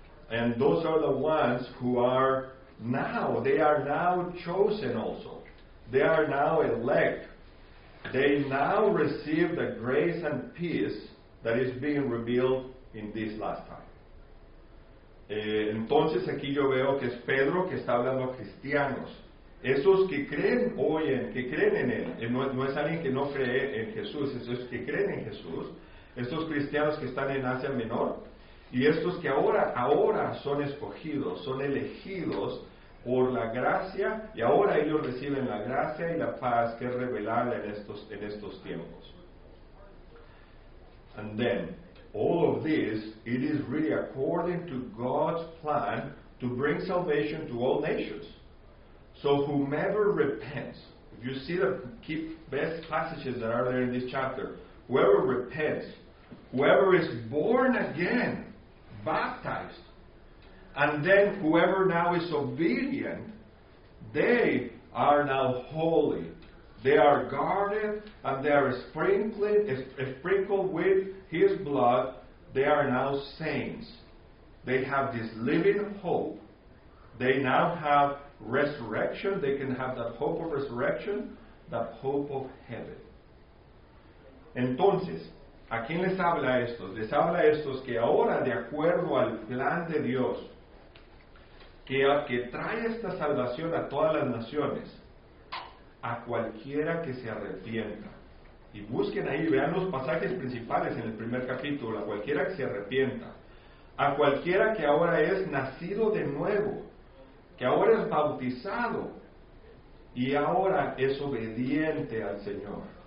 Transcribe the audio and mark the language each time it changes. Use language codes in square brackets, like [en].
[en] And those are the ones who are now, they are now chosen also. They are now elect. They now receive the grace and peace that is being revealed in this last time. [es] Entonces aquí yo veo que es Pedro que está hablando a cristianos. Esos que creen, oyen, que creen en él. No es alguien que no cree en Jesús. Esos que creen en Jesús. Estos cristianos que están en Asia Menor. Y estos que ahora son escogidos, son elegidos por la gracia, y ahora ellos reciben la gracia y la paz que es revelada en estos tiempos. [en] And then, all of this, it is really according to God's plan to bring salvation to all nations. So whomever repents, if you see the key best passages that are there in this chapter, whoever repents, whoever is born again, baptized, and then whoever now is obedient, they are now holy. They are guarded and they are sprinkled with his blood. They are now saints. They have this living hope. They now have resurrection. They can have that hope of resurrection, that hope of heaven. [es] Entonces, ¿a quién les habla esto? Les habla estos que ahora, de acuerdo al plan de Dios, que trae esta salvación a todas las naciones, a cualquiera que se arrepienta. Y busquen ahí, vean los pasajes principales en el primer capítulo, a cualquiera que se arrepienta, a cualquiera que ahora es nacido de nuevo, que ahora es bautizado, y ahora es obediente al Señor.